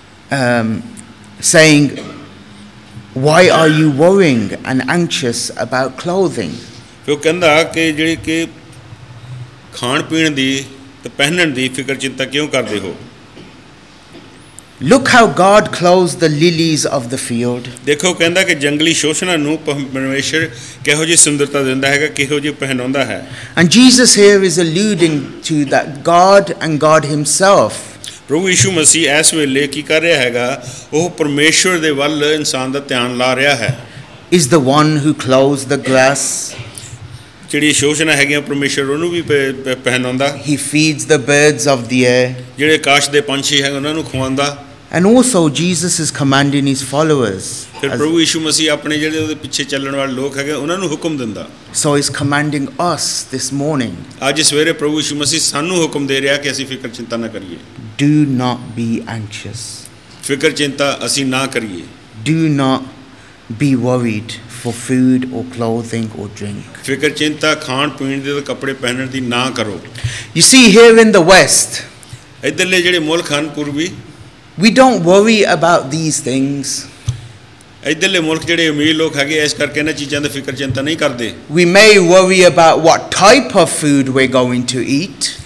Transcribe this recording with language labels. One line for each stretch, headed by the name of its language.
English: saying, why are you worrying and anxious about clothing?
Punjabi: ਉਹ ਕਹਿੰਦਾ ਕਿ ਜਿਹੜੀ ਕਿ ਖਾਣ ਪੀਣ ਦੀ ਤੇ ਪਹਿਨਣ ਦੀ ਫਿਕਰ ਚਿੰਤਾ ਕਿਉਂ ਕਰਦੇ ਹੋ?
English: Look how God clothes the lilies of the field.
Punjabi: ਦੇਖੋ ਕਹਿੰਦਾ ਕਿ ਜੰਗਲੀ ਸ਼ੋਸ਼ਣਾਂ ਨੂੰ ਪਰਮੇਸ਼ਰ ਕਿਹੋ ਜਿਹੀ ਸੁੰਦਰਤਾ ਦਿੰਦਾ ਹੈਗਾ, ਕਿਹੋ ਜਿਹੀ ਪਹਿਨਾਉਂਦਾ ਹੈ।
English: And Jesus here is alluding to that God and God himself.
Punjabi: ਪ੍ਰਭੂ ਯਿਸੂ ਮਸੀਹ ਇਸ ਵੇਲੇ ਕੀ ਕਰ ਰਿਹਾ ਹੈਗਾ, ਉਹ ਪਰਮੇਸ਼ਰ ਦੇ ਵੱਲ ਇਨਸਾਨ ਦਾ ਧਿਆਨ ਲਾ ਰਿਹਾ ਹੈ।
English: Is the one who clothes the grass.
Punjabi: ਜਿਹੜੀ ਸ਼ੋਸ਼ਣਾਂ ਹੈਗੀਆਂ ਪਰਮੇਸ਼ਰ ਉਹਨੂੰ ਵੀ ਪਹਿਨਾਉਂਦਾ।
English: He feeds the birds of the air.
Punjabi: ਜਿਹੜੇ ਆਕਾਸ਼ ਦੇ ਪੰਛੀ ਹੈ ਉਹਨਾਂ ਨੂੰ ਖਵਾਉਂਦਾ।
English: And also Jesus is commanding his followers.
Punjabi: ਫਿਰ ਪ੍ਰਭੂ ਯਿਸੂ ਮਸੀਹ ਆਪਣੇ ਜਿਹੜੇ ਉਹਦੇ ਪਿੱਛੇ ਚੱਲਣ ਵਾਲੇ ਲੋਕ ਹੈਗੇ ਉਹਨਾਂ ਨੂੰ ਹੁਕਮ ਦਿੰਦਾ।
English: So he's commanding us this morning.
Punjabi: ਅੱਜ ਸਵੇਰੇ ਪ੍ਰਭੂ ਯਿਸੂ ਮਸੀਹ ਸਾਨੂੰ ਹੁਕਮ ਦੇ ਰਿਹਾ ਕਿ ਅਸੀਂ ਫਿਕਰ ਚਿੰਤਾ ਨਾ ਕਰੀਏ।
English: Do not be anxious.
Punjabi: ਫਿਕਰ ਚਿੰਤਾ ਅਸੀਂ ਨਾ ਕਰੀਏ।
English: Do not be worried for food or clothing or drink.
Punjabi: ਫਿਕਰ ਚਿੰਤਾ ਖਾਣ ਪੀਣ ਦੇ ਕੱਪੜੇ ਪਹਿਨਣ ਦੀ ਨਾ ਕਰੋ।
English: You see here in the west.
Punjabi: ਇਧਰਲੇ ਜਿਹੜੇ ਮੁਲਕ ਹਨ ਪੂਰਬੀ
English: we don't worry about these things
Punjabi: ਇਧਰਲੇ ਮੁਲਕ ਜਿਹੜੇ ਅਮੀਰ ਲੋਕ ਹੈਗੇ ਇਸ ਕਰਕੇ ਇਹਨਾਂ ਚੀਜ਼ਾਂ ਦੀ ਫਿਕਰ ਚਿੰਤਾ ਨਹੀਂ ਕਰਦੇ
English: we may worry about what type of food we going to eat